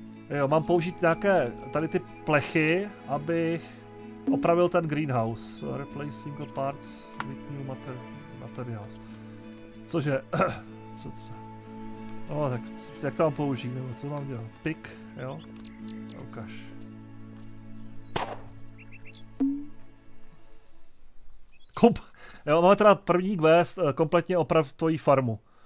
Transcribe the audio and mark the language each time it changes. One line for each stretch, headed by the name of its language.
Czech: Jo, mám použít nějaké tady ty plechy, abych opravil ten greenhouse.
English: Replacing the parts with new materials.
Czech: Cože? Co to? No, tak jak to mám použít, nebo co mám dělat? Pick, jo? Ukaž. Kup! Jo, máme teda první quest, kompletně oprav tvojí farmu.